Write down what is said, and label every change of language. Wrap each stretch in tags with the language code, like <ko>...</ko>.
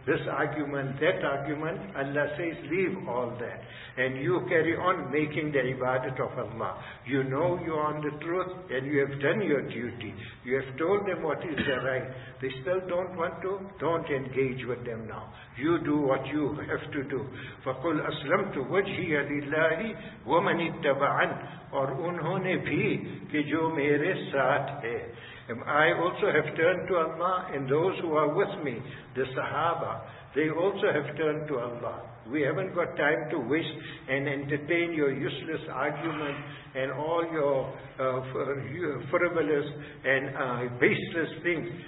<en>This argument, that argument, Allah says leave all that. And you carry on making the ibadat of Allah. You know you are on the truth and you have done your duty. You have told them what is the right. They still don't want to, don't engage with them now. You do what you have to do.</en> <ar>فَقُلْ أَسْلَمْتُ وَجْهِيَ لِلَّهِ وَمَنِ اتَّبَعَنْ</ar> <ur>اور انہوں نے بھی کہ جو میرے ساتھ ہے.</ur> <en>Am I also have turned to Allah? And those who are with me, the Sahaba, they also have turned to Allah. We haven't got time to waste and entertain your useless argument and all your frivolous and baseless things.</en>